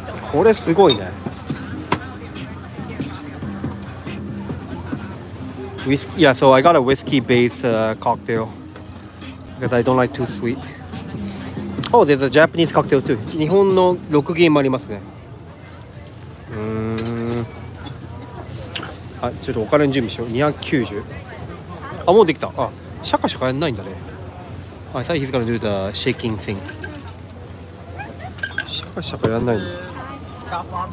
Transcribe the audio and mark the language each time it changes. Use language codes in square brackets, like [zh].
[ja] これすごいね。 [en] Yeah, so I got a whiskey-based cocktail because I don't like too sweet. Oh, there's a Japanese cocktail too. [ja] 日本の6銀もありますね。あ、ちょっとお金準備しよう。290。あ、もうできた。あ、シャカシャカやんないんだね。 [en] I thought he's gonna do the shaking thing. [ja] シャカシャカやんないんだ。